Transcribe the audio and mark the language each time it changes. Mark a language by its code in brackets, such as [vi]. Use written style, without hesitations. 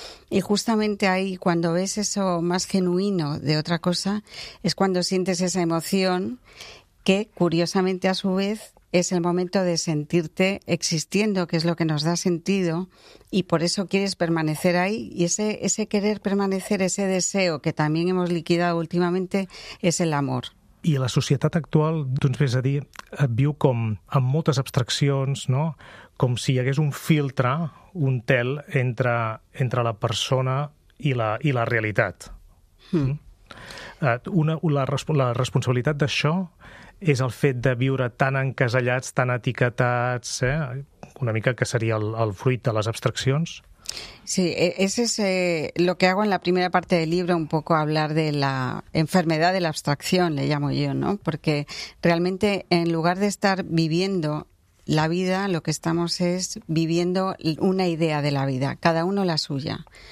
[es] Y justamente ahí, cuando ves eso más genuino de otra cosa, es cuando sientes esa emoción que, curiosamente, a su vez, es el momento de sentirte existiendo, que es lo que nos da sentido, y por eso quieres permanecer ahí. Y ese querer permanecer, ese deseo que también hemos liquidado últimamente, es el amor. [ca] I la societat actual, doncs, és a dir, viu com amb moltes abstraccions, no? Com si hi hagués un filtre, un tel, entre la persona i la realitat. La responsabilitat d'això és el fet de viure tan encasellats, tan etiquetats, una mica que seria el fruit de les abstraccions. [es] Sí, ese es lo que hago en la primera parte del libro, un poco hablar de la enfermedad de la abstracción, le llamo yo, ¿no? Porque realmente en lugar de estar viviendo la vida, lo que estamos es viviendo una idea de la vida, cada uno la suya.